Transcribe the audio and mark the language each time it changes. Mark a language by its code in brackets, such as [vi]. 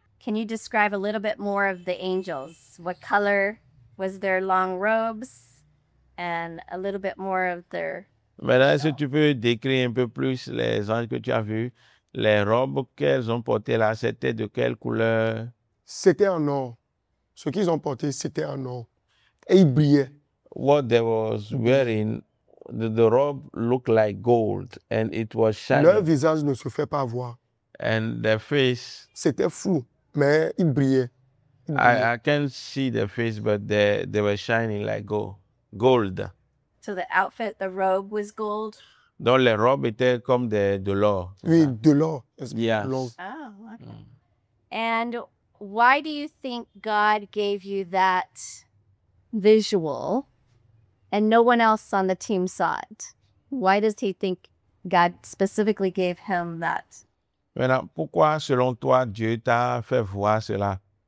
[en] Can you describe a little bit more of the angels? What color was their long robes, and a little bit more of their? [fr] Maintenant, est-ce que tu peux décrire un peu plus les anges que tu as vus, les robes qu'elles ont portées là? C'était de quelle couleur? C'était en or. Ce qu'ils ont porté, c'était en or, et ils brillaient. [en] What they was wearing, the robe looked like gold, and it was shining. [fr] Leur visage ne se fait pas voir. [en] And their face. [fr] C'était fou, mais ils brillaient. [en] I can't see their face, but they were shining like gold. So the outfit, the robe was gold. [fr] Donc les robes étaient comme de l'or. Oui, de l'or. [en] Yes. Oh, okay. And why do you think God gave you that visual, and no one else on the team saw it? Why does he think God specifically gave him that? [fr] Maintenant, pourquoi, selon toi, Dieu t'a fait voir cela?